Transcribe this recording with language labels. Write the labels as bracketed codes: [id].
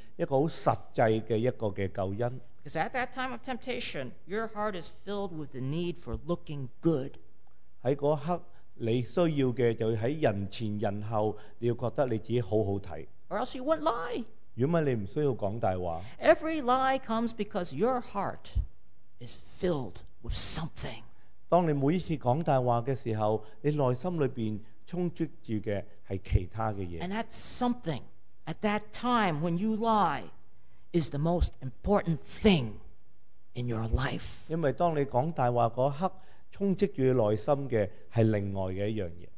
[en] Because at that time of temptation, your heart is filled with the need for looking good. [zh] 在那一刻, 你需要的就在人前人后, 你要觉得你自己好好看, [en] or else you won't lie. [zh] 如果你不需要说大话, [en] every lie comes because your heart is filled with something. [zh] 当你每一次说大话的时候, 你内心里面充斥着的是其他的东西, [en] and that something at that time when you lie is the most important thing in your life. [zh] 因为当你说大话那一刻, 充斥着内心的是另外的一样东西.